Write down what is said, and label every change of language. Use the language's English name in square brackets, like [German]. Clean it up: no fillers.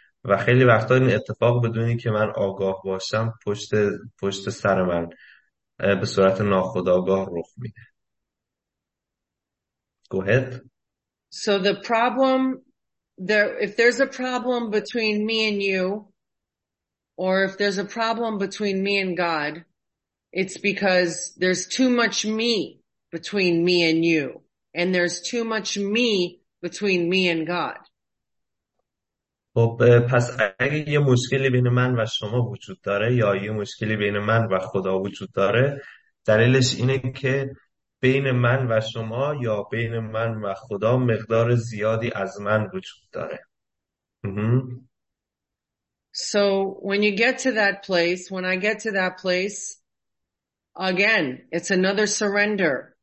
[Persian] و خیلی وقتا این اتفاق بدون این که من آگاه باشم پشت سر من به صورت ناخودآگاه رخ میده. [English] Go ahead. So the problem there, if there's a problem between me and you or if there's a problem between me and God, it's because there's too much me between me and you, and there's too much me between me and God. [Persian] خب پس اگه یه مشکلی بین من و شما وجود داره یا یه مشکلی بین من و خدا وجود داره، دلیلش اینه که بین من و شما یا بین من و خدا مقدار زیادی از من وجود داره. [English] So when you get to that place, when I get to that place, again, it's another surrender.